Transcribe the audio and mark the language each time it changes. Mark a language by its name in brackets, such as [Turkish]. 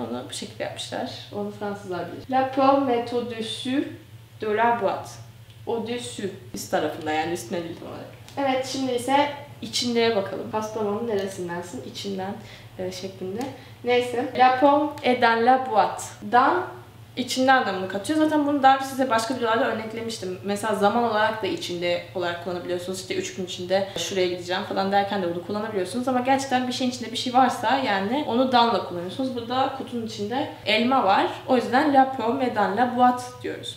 [Turkish] Onu bu şekilde yapmışlar. Onu Fransızlar bilir. [French] La pomme est au-dessus de la boîte. Au-dessus. [Turkish] Üst tarafında yani, üstüne değil tam olarak. Evet, şimdi ise içindeye bakalım. Pastamanın neresindensin? İçinden şeklinde. Neyse. [French] La pomme est dans la boîte. Dans [Turkish] içinden de bunu katıyor. Zaten bunu daha önce size başka videolarda örneklemiştim. Mesela zaman olarak da içinde olarak kullanabiliyorsunuz. İşte 3 gün içinde şuraya gideceğim falan derken de bunu kullanabiliyorsunuz. Ama gerçekten bir şeyin içinde bir şey varsa yani onu danla kullanıyorsunuz. Burada kutunun içinde elma var. O yüzden [French] la pomme et dans la boîte [Turkish] diyoruz.